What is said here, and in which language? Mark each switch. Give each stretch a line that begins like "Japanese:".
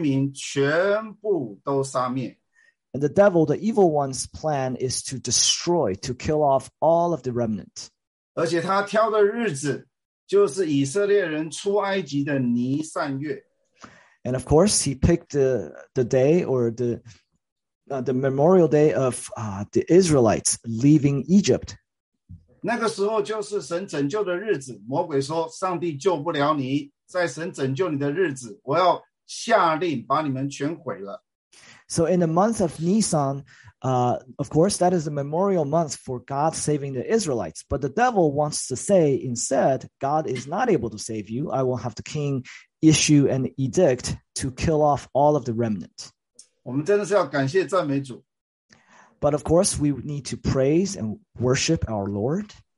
Chinese: 魔鬼就是要把渔民全部都杀灭。
English: And the devil, the evil one's plan is to destroy, to kill off all of the remnant.
Chinese: 而且他挑的日子。就是以色列人出埃及的尼散月。
English: And of course, he picked the day or the memorial day of the Israelites leaving Egypt.
Chinese: 那个时候就是神拯救的日子。魔鬼说，上帝救不了你，在神拯救你的日子，我要下令把你们全毁了。
English: So in the month of Nisan, of course, that is a memorial month for God saving the Israelites. But the devil wants to say, instead, God is not able to save you. I will have the king issue an edict to kill off all of the remnant. But of course, we need to praise and worship our Lord.